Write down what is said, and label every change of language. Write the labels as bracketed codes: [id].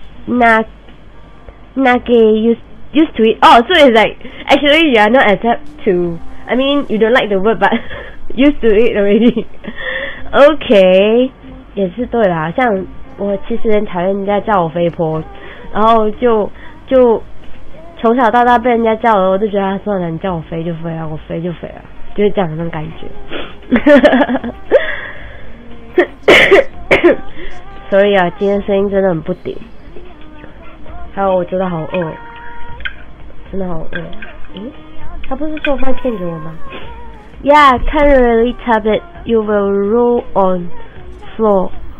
[en] 那个 used to it. Oh, so it's like, actually you are not adept to, I mean, you don't like the word, but used to it already. Okay. [zh] 也是对啦，像我其实很讨厌人家叫我肥婆，然后就从小到大被人家叫了，我就觉得算了，你叫我肥就肥啊，我肥就肥啊，就是这样的那种感觉。所以啊，今天声音真的很不顶。还有我真的好饿。真的好饿，他不是做饭骗给我吗？ [en] Yeah, can really tap it, you will roll on floor.